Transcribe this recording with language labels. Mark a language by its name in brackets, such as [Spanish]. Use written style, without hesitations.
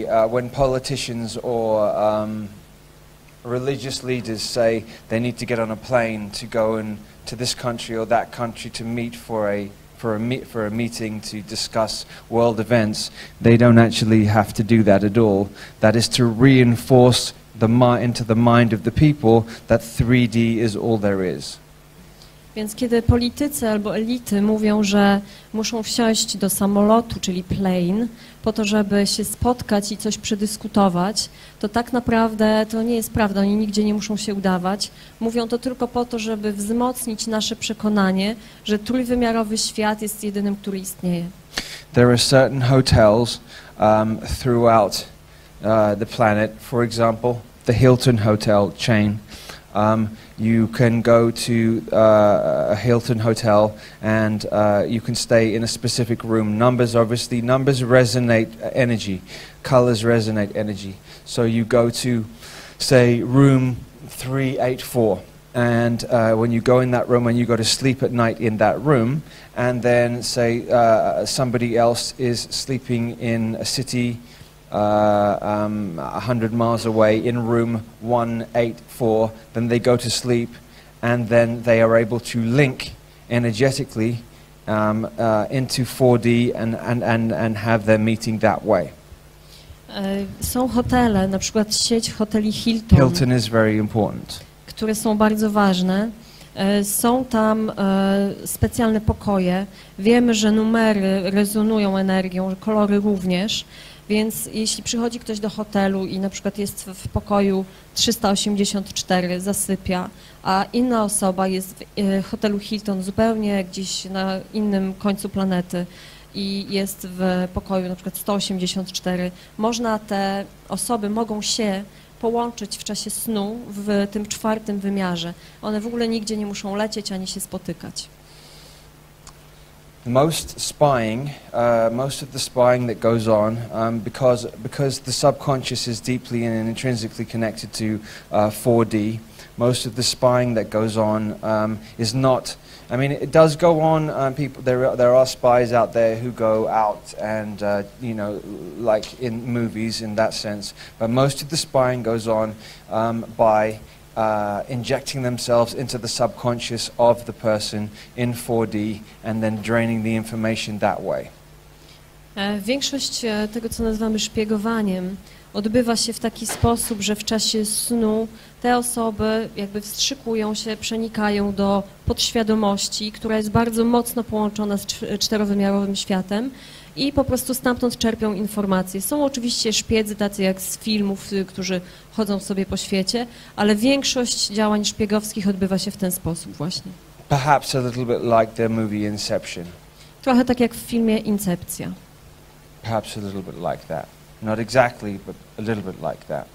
[English] When politicians or religious leaders say they need to get on a plane to go to this country or that country to meet for a meeting to discuss world events, they don't actually have to do that at all. That is to reinforce into the mind of the people that 3D is all there is. [Polish] Więc kiedy politycy albo elity mówią, że muszą wsiąść do samolotu, czyli plane, po to, żeby się spotkać i coś przedyskutować, to tak naprawdę to nie jest prawda, oni nigdzie nie muszą się udawać. Mówią to tylko po to, żeby wzmocnić nasze przekonanie, że trójwymiarowy świat jest jedynym, który istnieje. [English] There are certain hotels throughout the planet, for example, the Hilton Hotel chain. You can go to a Hilton hotel and you can stay in a specific room. Numbers resonate energy, colors resonate energy. So you go to, say, room 384. And when you go in that room and you go to sleep at night in that room, and then say somebody else is sleeping in a city 100 miles away in room 184, then they go to sleep and then they are able to link energetically into 4D and have their meeting that way. [Polish] Są hotele, na przykład sieć hoteli Hilton. [English] Hilton is very important. [Polish] Które są bardzo ważne. Są tam specjalne pokoje. Wiemy, że numery rezonują energią, że kolory również. Więc jeśli przychodzi ktoś do hotelu i na przykład jest w pokoju 384, zasypia, a inna osoba jest w hotelu Hilton zupełnie gdzieś na innym końcu planety i jest w pokoju na przykład 184, można te osoby mogą się połączyć w czasie snu w tym czwartym wymiarze. One w ogóle nigdzie nie muszą lecieć ani się spotykać. [English] Most spying, most of the spying that goes on, because the subconscious is deeply and intrinsically connected to 4D, most of the spying that goes on is not, I mean, it does go on, people, there are spies out there who go out and, you know, like in movies in that sense, but most of the spying goes on by injecting themselves into the subconscious of the person in 4D and then draining the information that way. [Polish] Większość tego, co nazywamy szpiegowaniem, odbywa się w taki sposób, że w czasie snu te osoby jakby wstrzykują się, przenikają do podświadomości, która jest bardzo mocno połączona z czterowymiarowym światem i po prostu stamtąd czerpią informacje. Są oczywiście szpiedzy, tacy jak z filmów, którzy chodzą sobie po świecie, ale większość działań szpiegowskich odbywa się w ten sposób właśnie. [English] Perhaps a little bit like the movie Inception. [Polish] Trochę tak jak w filmie Incepcja. [English] Perhaps a little bit like that. Not exactly, but a little bit like that.